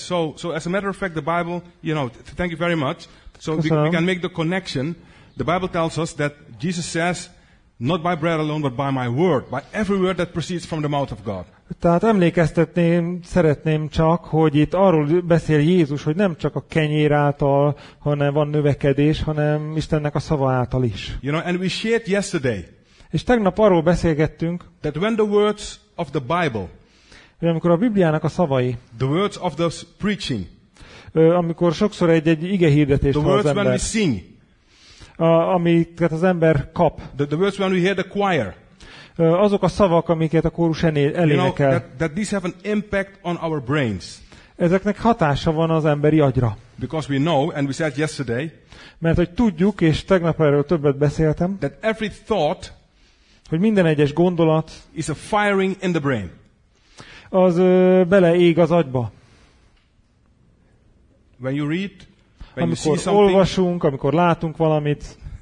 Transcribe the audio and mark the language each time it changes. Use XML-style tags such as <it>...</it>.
<en>So as a matter of fact, the Bible, you know, thank you very much. So we can make the connection. The Bible tells us that Jesus says, not by bread alone, but by my word, by every word that proceeds from the mouth of God.</en> <hu>Tehát emlékeztetném, szeretném csak, hogy itt arról beszél Jézus, hogy nem csak a kenyér által, hanem van növekedés, hanem Istennek a szava által is.</hu> <en>You know, and we shared yesterday.</en> <hu>És tegnap arról beszélgettünk,</hu> <en>that when the words of the Bible,</en> <hu>hogy amikor a Bibliának a szavai,</hu> <en>the words of the preaching,</en> <hu>amikor sokszor egy ige hirdetést hall az ember,</hu> <en>the words when we sing,</en> <hu>amiket az ember kap,</hu> <en>the words when we hear the choir,</en> <hu>azok a szavak, amiket a kórus elénekel,</hu> <en>you know, that these have an impact on our brains.</en> <hu>Ezeknek hatása van az emberi agyra.</hu> <en>Because we know, and we said yesterday,</en> <hu>mert hogy tudjuk, és tegnap erről többet beszéltem,</hu> <en>that every thought,</en> <hu>hogy minden egyes gondolat,</hu> <en>is a firing in the brain.</en> <hu>Az beleég az agyba.</hu> <en>When you read, when</en> <hu>amikor</hu> <en>you see something,</en> <hu>olvasunk, amikor látunk valamit,</hu>